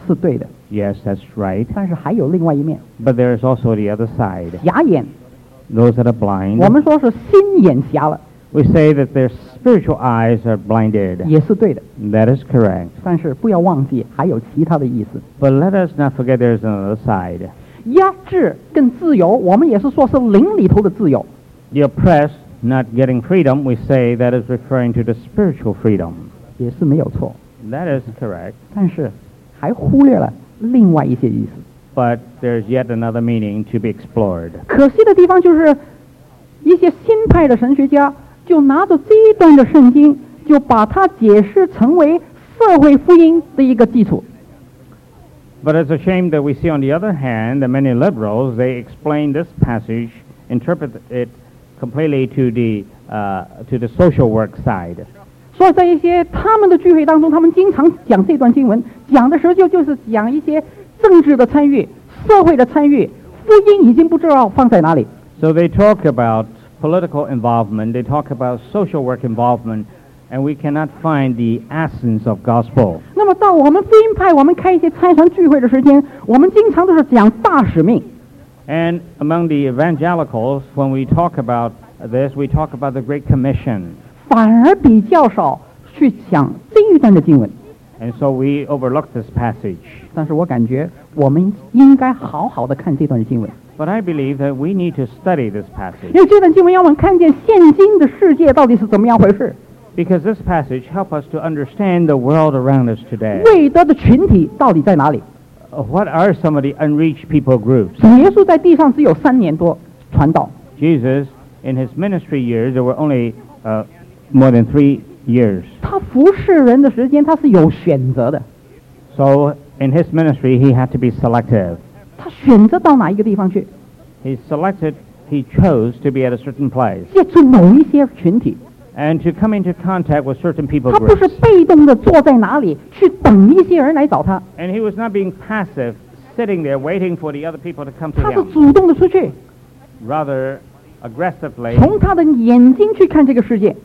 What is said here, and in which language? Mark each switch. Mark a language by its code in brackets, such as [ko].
[zh] 是对的。 [en] Yes, that's right. [zh] 但是还有另外一面。 [en] But there is also the other side. [zh] 瞎眼。 [en] Those that are blind. [zh] 我们说是心眼瞎了。 [en] We say that their spiritual eyes are blinded. [zh] 也是对的。 [en] That is correct. [zh] 但是不要忘记还有其他的意思。 [en] But let us not forget there is another side. [zh] 压制跟自由，我们也是说是灵里头的自由。 [en] The oppressed not getting freedom, we say that is referring to the spiritual freedom. [zh] 也是没有错。 [en] That is correct. [zh] 但是还忽略了另外一些意思。 [en] But there's yet another meaning to be explored. [zh] 可惜的地方就是一些新派的神学家就拿着这一段的圣经就把它解释成为社会福音的一个基础。 [en] But it's a shame that we see on the other hand that many liberals, they explain this passage, interpret it completely to the social work side. [zh] 所以在一些他们的聚会当中，他们经常讲这段经文，讲的时候就是讲一些政治的参与、社会的参与，福音已经不知道放在哪里。 [en] So they talk about political involvement, they talk about social work involvement, and we cannot find the essence of gospel. [zh] 那么到我们福音派，我们开一些参团聚会的时间，我们经常都是讲大使命。 [en] And among the evangelicals, when we talk about this, we talk about the Great Commission. [zh] 反而比较少去讲这一三的经文。 [en] And so we overlooked this passage. [zh] 但是我感觉我们应该好好的看这段经文。 [en] But I believe that we need to study this passage. [zh] 因为这段经文让我们看见现今的世界到底是怎么样回事。 [en] Because this passage helps us to understand the world around us today. [zh] 未得的群体到底在哪里？ [en] What are some of the unreached people groups? [zh] 耶稣在地上只有三年多传道。 [en] Jesus, in his ministry years, there were only more than 3 years. [zh] 他服侍人的时间他是有选择的。 [en] So, in his ministry, he had to be selective. [zh] 他选择到哪一个地方去？ [en] He chose to be at a certain place. [zh] 接触某一些群体。 [en] And to come into contact with certain people groups. [zh] 他不是被动地坐在哪里去等一些人来找他。 [en] And he was not being passive, sitting there waiting for the other people to come to him. [zh] 他是主动地出去。 [en] Rather aggressively. [zh] 从他的眼睛去看这个世界。